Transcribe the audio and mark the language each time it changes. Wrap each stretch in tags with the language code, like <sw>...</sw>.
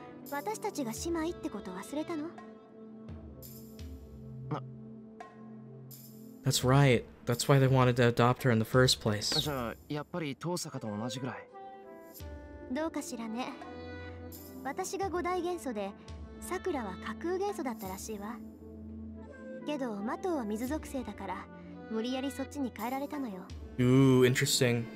<ja>私たちが姉妹ってこと忘れたの?</ja> <en>That's right. That's why they wanted to adopt her in the first place.</en> <ja>じゃあ、やっぱり遠坂と同じぐらい。どうかしらね。私が五大元素で、桜は架空元素だったらしいわ。けど、マトウは水属性だから、無理やりそっちに変えられたのよ。</ja> <en>Ooh, interesting.</en>